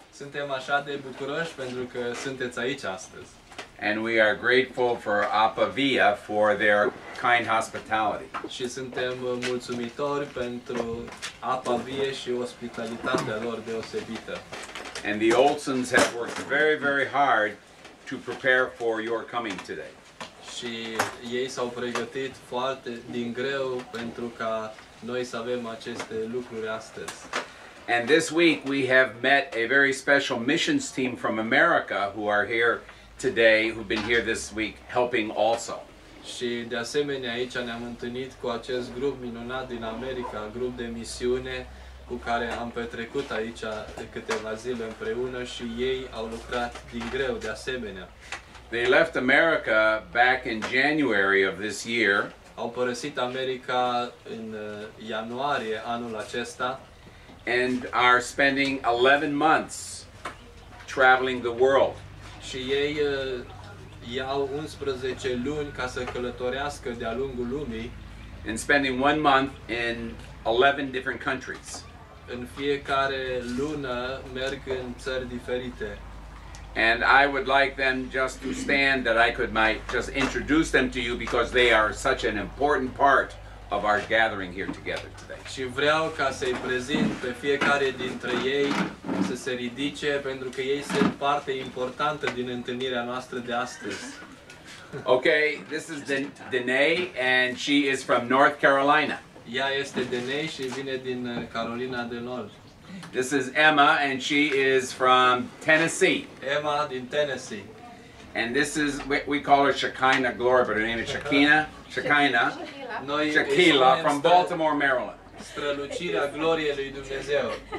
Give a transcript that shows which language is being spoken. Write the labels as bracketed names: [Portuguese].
[Romanian] Suntem așa de bucuroși pentru că sunteți aici astăzi. [English] And we are grateful for Apa Vie for their kind hospitality. [Romanian] Și suntem mulțumitori pentru Apa Vie și ospitalitatea lor deosebită. [English] And the Olsens have worked very, very hard to prepare for your coming today. [Romanian] Și ei s-au pregătit foarte din greu pentru ca noi să avem aceste lucruri astăzi. [English] And this week we have met a very special missions team from America who are here today, who've been here this week helping also. [Romanian] Și de asemenea aici ne-am întâlnit cu acest grup minunat din America, grup de misiune cu care am petrecut aici câteva zile împreună și ei au lucrat din greu de asemenea. [English] They left America back in January of this year. [Romanian] Au părăsit America în ianuarie anul acesta. [English] And are spending 11 months traveling the world. [Romanian] Și ei iau 11 luni ca să călătorească de-a lungul lumii. [English] And spending 1 month in 11 different countries. [Romanian] În fiecare lună merg în țări diferite. [English] And I would like them just to stand that I could might just introduce them to you because they are such an important part of our gathering here together today. [Romanian] Și vreau ca să-i prezint pe fiecare dintre ei să se ridice pentru că ei sunt parte importantă din întâlnirea noastră de astăzi. [English] Okay, this is Danae and she is from North Carolina. [Romanian] Ea este Danae și vine din Carolina de Nord. [English] This is Emma and she is from Tennessee. [Romanian] Emma din Tennessee. [English] And this is, we call her Shekinah Glory, but her name is Shekinah. [Romanian] Noi [English] Shekila from Baltimore, Maryland. [Romanian] Strălucirea gloriei lui Dumnezeu.